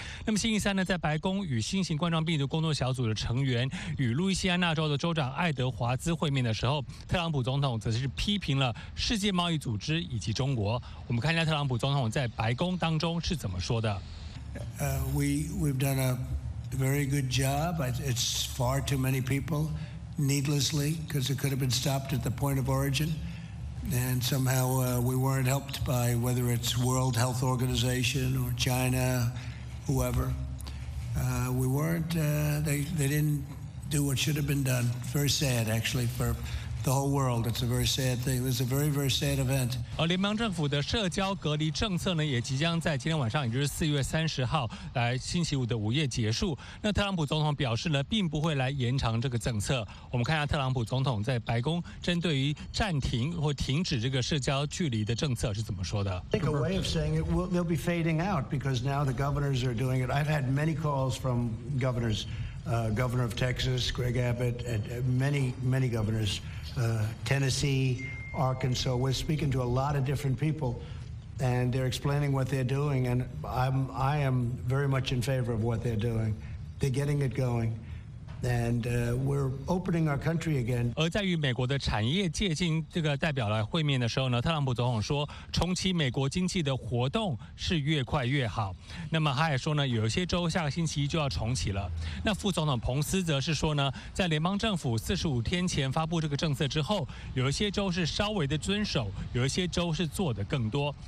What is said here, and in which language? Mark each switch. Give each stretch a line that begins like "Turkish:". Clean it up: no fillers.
Chinese: 那么星期三呢，在白宫与新型冠状病毒工作小组的成员与路易斯安那州的州长爱德华华兹会面的时候，特朗普总统则是批评了世界贸易组织以及中国。我们看一下特朗普总统在白宫当中是怎么说的。
English: We've done a very good job. It's far too many people needlessly because it could have been stopped at the point of origin. And somehow we weren't helped by whether it's World Health Organization or China, whoever. We weren't, they didn't do what should have been done. Very sad, actually, for the whole world. It's a very sad thing. It was a very, very sad event.
Chinese: 而联邦政府的社交隔离政策呢，也即将在今天晚上，也就是4月30号来星期五的午夜结束。那特朗普总统表示呢，并不会来延长这个政策。我们看一下特朗普总统在白宫针对于暂停或停止这个社交距离的政策是怎么说的。
English: I think a way of saying it, they'll be fading out because now the governors are doing it. I've had many calls from governors, Governor of Texas, Greg Abbott, and many, many governors. Tennessee, Arkansas, we're speaking to a lot of different people and they're explaining what they're doing and I am very much in favor of what they're doing. They're getting it going. And we're opening our country again.
Chinese: 而在与美国的产业界进这个代表来会面的时候呢，特朗普总统说，重启美国经济的活动是越快越好。那么他也说呢，有些州下个星期就要重启了。那副总统彭斯则是说呢，在联邦政府45天前发布这个政策之后，有一些州是稍微的遵守，有一些州是做的更多。